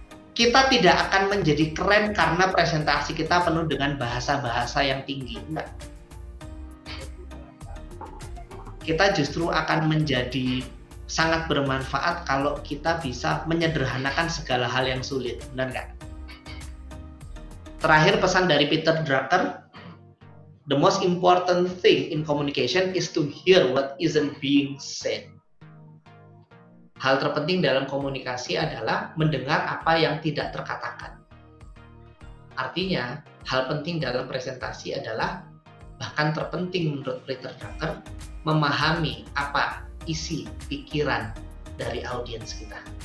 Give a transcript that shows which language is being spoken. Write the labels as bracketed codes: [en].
[id] Kita tidak akan menjadi keren karena presentasi kita penuh dengan bahasa-bahasa yang tinggi. Enggak. Kita justru akan menjadi sangat bermanfaat kalau kita bisa menyederhanakan segala hal yang sulit. Benar enggak? Terakhir pesan dari Peter Drucker. [en] The most important thing in communication is to hear what isn't being said. [id] Hal terpenting dalam komunikasi adalah mendengar apa yang tidak terkatakan. Artinya, hal penting dalam presentasi adalah, bahkan terpenting menurut Peter Drucker, memahami apa isi pikiran dari audiens kita.